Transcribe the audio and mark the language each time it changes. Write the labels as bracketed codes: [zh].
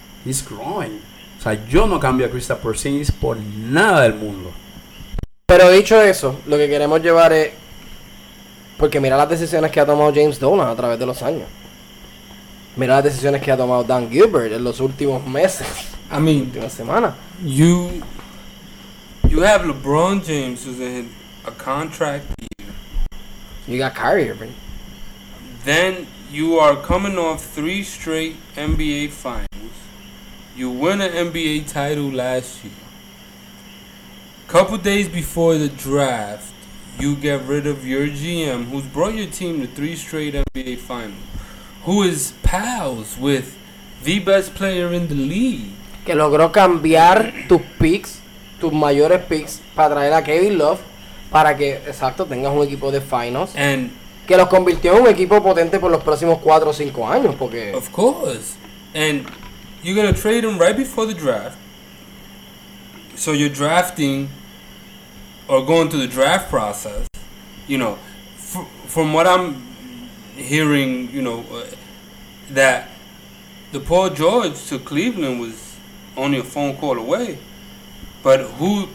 [en] He's growing. [es] O sea, yo no cambio a Kristaps Porzingis por nada del mundo. Pero dicho eso, lo que queremos llevar es porque mira las decisiones que ha tomado James Dolan a través de los años. Mira las decisiones que ha tomado Dan Gilbert en los últimos meses. [en] I mean, [es] en la última semana. [en] You have LeBron James who's in a contract year. You got Kyrie Irving. Then you are coming off 3 straight NBA finals. You win an NBA title last year. Couple days before the draft, you get rid of your GM who's brought your team to 3 straight NBA finals. Who is pals with the best player in the league. [es] Que logró cambiar tus picks, tus mayores picks, para traer a Kevin Love, para que, exacto, tengas un equipo de finals. [en] And [es] que los convirtió en un equipo potente por los próximos 4 o 5 años, porque... [en] Of course. And you're going to trade him right before the draft. So you're drafting or going through the draft process. You know, from what I'm hearing, you know, that the Paul George to Cleveland was only a phone call away. But who?